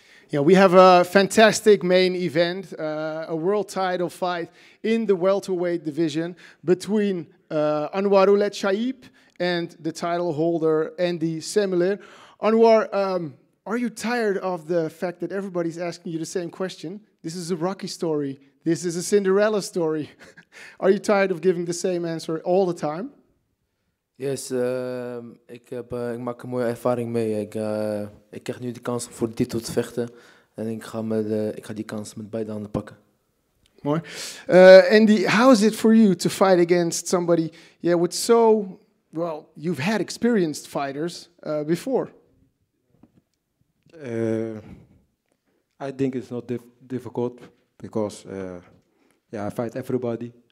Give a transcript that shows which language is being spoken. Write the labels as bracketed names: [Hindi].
[English] Yeah, we have a fantastic main event, a world title fight in the welterweight division between Anwarul Chaib and the title holder, Andy Semelir. Anwar, are you tired of the fact that everybody's asking you the same question? This is a Rocky story. This is a Cinderella story. Are you tired of giving the same answer all the time? [Dutch] Yes, ik maak een mooie ervaring mee. Ik krijg nu de kans voor de titel te vechten. En ik ga die kans met beide handen pakken. Mooi. [English] Andy, how is it for you to fight against somebody with so... Well, you've had experienced fighters before. I think it's not difficult because I fight everybody.